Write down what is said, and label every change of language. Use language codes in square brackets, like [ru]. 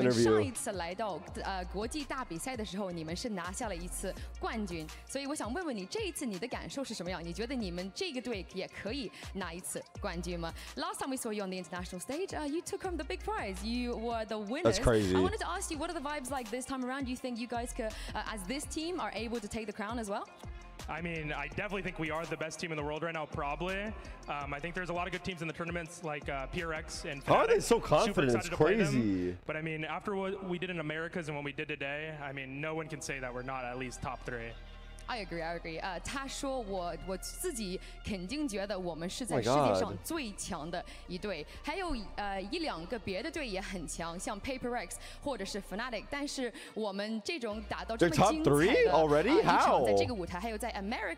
[zh] 你们上一次来到国际大比赛的时候，你们是拿下了一次冠军，所以我想问问你，这一次你的感受是什么样？你觉得你们这个队也可以拿一次冠军吗？ [en] Last time we saw you on the international stage, you took home the big prize. You were the winner. That's crazy. I wanted to ask you, what are the vibes like this time around? Do you think you guys could, as this team, are able to take the crown as well? I mean, I definitely think we are the best team in the world right now, probably. I think there's a lot of good teams in the tournaments, like PRX and Fnatic. How are they so confident? It's crazy. But I mean, after what we did in Americas and what we did today, I mean, no one can say that we're not at least top three. I agree. [zh] 他说我自己肯定觉得我们是在世界上最强的一队，还有一两个别的队也很强，像 PaperX 或者是 Fnatic， 但是我们这种打到这么精彩的 [en] They're top three already? How? [zh] 在这个舞台还有在 America